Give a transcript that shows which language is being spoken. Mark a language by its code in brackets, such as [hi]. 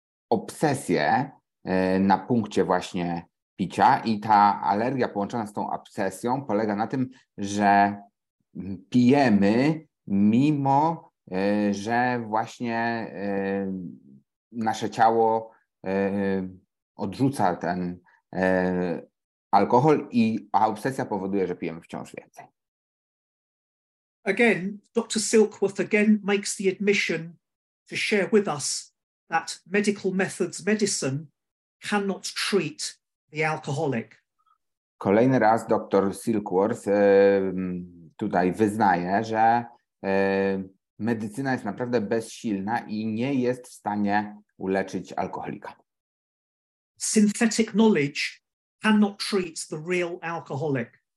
[pl] obsesję na punkcie właśnie picia i ta alergia połączona z tą obsesją polega na tym, że pijemy mimo, że właśnie nasze ciało odrzuca ten alkohol i obsesja powoduje, że pijemy wciąż więcej. [en] Again, Dr. Silkworth again makes the admission to share with us that medical methods, medicine cannot treat the alcoholic. [pl] Kolejny raz dr Silkworth tutaj wyznaje, że medycyna jest naprawdę bezsilna i nie jest w stanie uleczyć alkoholika. [en] Synthetic knowledge cannot treat the real alcoholic.